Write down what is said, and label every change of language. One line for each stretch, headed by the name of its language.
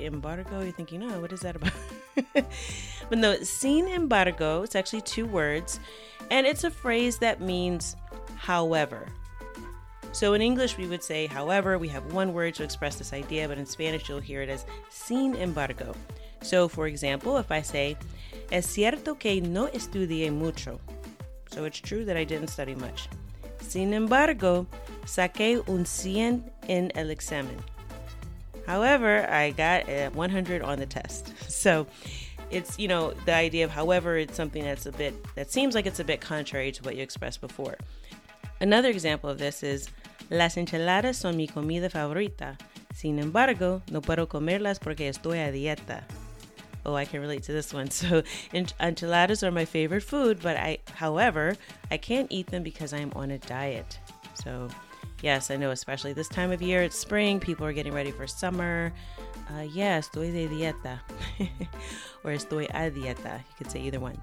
English: Embargo, you're thinking, oh, what is that about? But no, sin embargo, it's actually two words, and it's a phrase that means however. So in English, we would say however. We have one word to express this idea, but in Spanish, you'll hear it as sin embargo. So for example, if I say,
Spanish: es cierto que no estudié mucho.
English: So it's true that I didn't study much.
Spanish: Sin embargo, saqué un 100 en el examen.
English: However, I got a 100 on the test. So it's, you know, the idea of however, it's something that's a bit, that seems like it's a bit contrary to what you expressed before. Another example of this is,
Spanish: las enchiladas son mi comida favorita. Sin embargo, no puedo comerlas porque estoy a dieta.
English: Oh, I can relate to this one. So enchiladas are my favorite food, but however, I can't eat them because I'm on a diet. So yes, I know, especially this time of year, it's spring, people are getting ready for summer.
Spanish: Estoy de dieta.
English: Or
Spanish: estoy a dieta.
English: You could say either one.